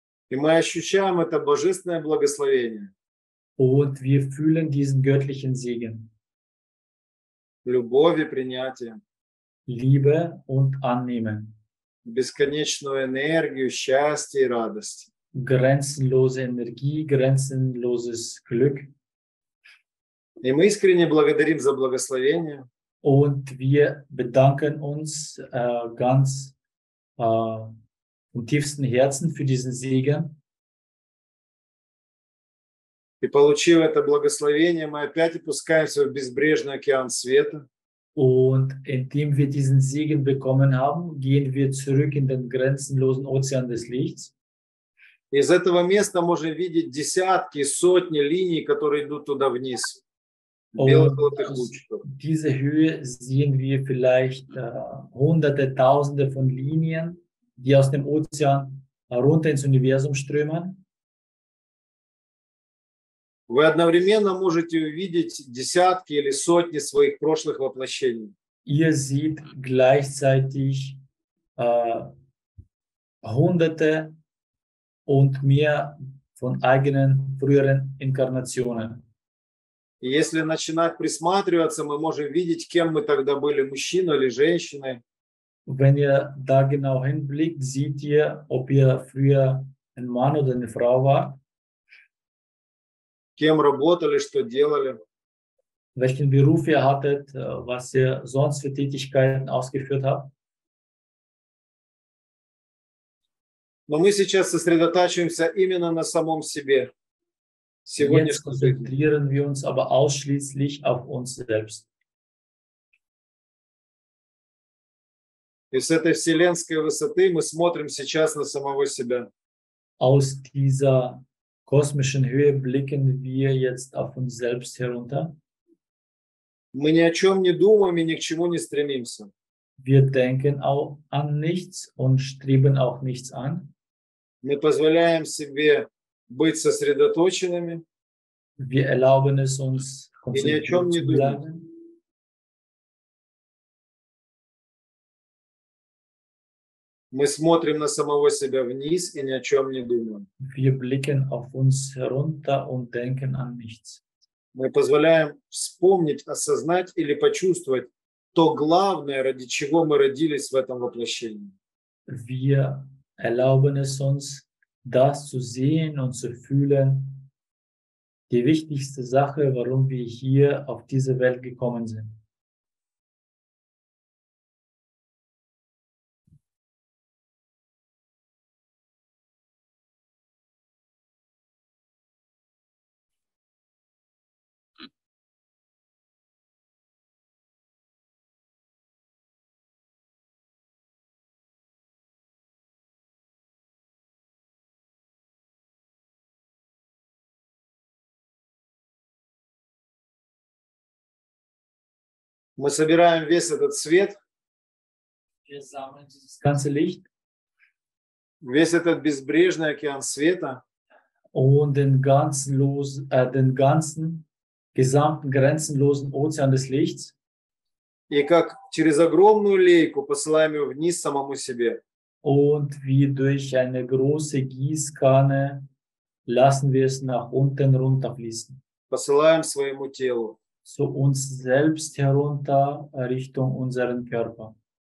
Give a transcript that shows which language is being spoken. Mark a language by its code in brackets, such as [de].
[ru] И мы ощущаем это божественное благословение. [de] Und wir fühlen diesen göttlichen Segen. [ru] Любовь и принятие. [de] Liebe und annehmen. [ru] Бесконечную энергию, счастье и радость. [de] Grenzenlose Energie, grenzenloses Glück. [ru] И мы искренне благодарим за благословение. [de] Und wir bedanken uns ganz im tiefsten Herzen für diesen Segen. [ru] И получив это благословение, мы опять опускаемся в безбрежный океан света. [de] Und indem wir diesen Segen bekommen haben, gehen wir zurück in den grenzenlosen Ozean des Lichts. [ru] Из этого места можно видеть десятки, сотни линий, которые идут туда вниз. Белых-золотых лучиков. [de] Diese Höhe sehen wir vielleicht hunderte, tausende von Linien, die aus dem Ozean runter ins Universum strömen. [ru] Вы одновременно можете увидеть десятки или сотни своих прошлых воплощений. [de] Ihr seht gleichzeitig hunderte und mehr von eigenen früheren Inkarnationen. [ru] И если начинать присматриваться, мы можем видеть, кем мы тогда были, мужчиной или женщиной. [de] Wenn ihr da genau hinblickt, seht ihr, ob ihr früher ein Mann oder eine Frau war. [ru] Кем работали, что делали. [de] Welchen Beruf ihr hattet, was ihr sonst für Tätigkeiten ausgeführt habt. [ru] Но мы сейчас сосредотачиваемся именно на самом себе. Сегодня [de] jetzt konzentrieren wir uns aber ausschließlich auf uns selbst. [ru] И с этой вселенской высоты мы смотрим сейчас на самого себя. [de] Aus dieser kosmischen Höhe blicken wir jetzt auf uns selbst herunter. [ru] Мы ни о чем не думаем и ни к чему не стремимся. [de] Wir denken auch an nichts und streben auch nichts an. [ru] Мы позволяем себе быть сосредоточенными. [de] Wir erlauben es uns, konzentriert zu bleiben. [ru] Мы смотрим на самого себя вниз и ни о чем не думаем. [de] Wir blicken auf uns herunter und denken an nichts. [ru] Мы позволяем вспомнить, осознать или почувствовать то главное, ради чего мы родились в этом воплощении. [de] Wir erlauben es uns, das zu sehen und zu fühlen, die wichtigste Sache, warum wir hier auf diese Welt gekommen sind. [ru] Мы собираем весь этот свет, весь этот безбрежный океан света, [de] und den ganzen gesamten grenzenlosen Ozean des Lichts, [ru] и как через огромную лейку посылаем его вниз самому себе, [de] und wie durch eine große Gießkanne lassen wir es nach unten runterfließen, [ru] посылаем своему телу. [de] Zu uns selbst herunter, Richtung unseren Körper.